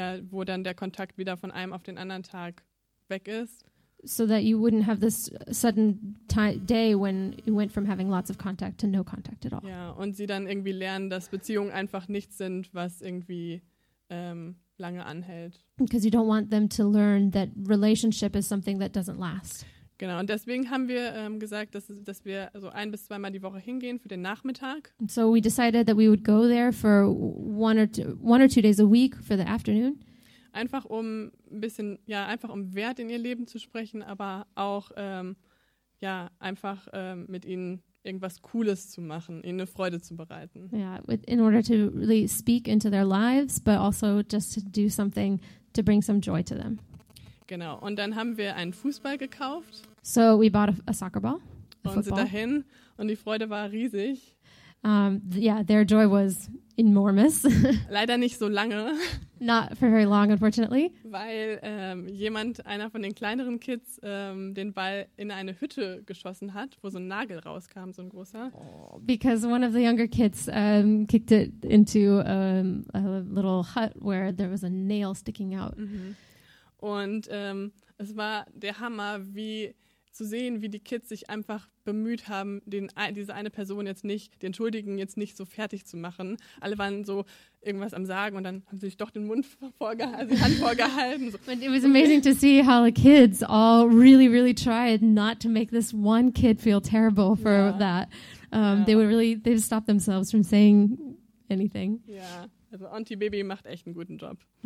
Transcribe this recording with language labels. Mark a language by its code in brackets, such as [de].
[de] Wo dann der Kontakt wieder von einem auf den anderen Tag weg ist. [en] So that you wouldn't have this sudden day when you went from having lots of contact to no contact at all. [de] Ja, und sie dann irgendwie lernen, dass Beziehungen einfach nichts sind, was irgendwie lange anhält. [en] Because you don't want them to learn that relationship is something that doesn't last. [de] Genau, und deswegen haben wir gesagt, dass wir so ein bis zweimal die Woche hingehen für den Nachmittag. [en] And so we decided that we would go there for one or two days a week for the afternoon. [de] Einfach um ein bisschen, ja, einfach um Wert in ihr Leben zu sprechen, aber auch ja, einfach mit ihnen irgendwas Cooles zu machen, ihnen eine Freude zu bereiten. [en] Yeah, in order to really speak into their lives, but also just to do something to bring some joy to them. [de] Genau, und dann haben wir einen Fußball gekauft. [en] So we bought a soccer ball, a football. [de] Und sind dahin, und die Freude war riesig. [en] Yeah, their joy was enormous. [de] Leider nicht so lange. [en] Not for very long, unfortunately. [de] Weil jemand, einer von den kleineren Kids, den Ball in eine Hütte geschossen hat, wo so ein Nagel rauskam, so ein großer. [en] Because one of the younger kids kicked it into a little hut where there was a nail sticking out. Mm-hmm. [de] Und es war der Hammer, wie zu sehen, wie die Kids sich einfach bemüht haben, diese eine Person jetzt nicht, den Schuldigen jetzt nicht so fertig zu machen. Alle waren so irgendwas am Sagen und dann haben sie sich doch den Mund vorgehalten, die Hand vorgehalten. So. [en] But it was amazing to see how the kids all really, really tried not to make this one kid feel terrible for that. They stopped themselves from saying anything. [de] Ja, also Auntie Baby macht echt einen guten Job.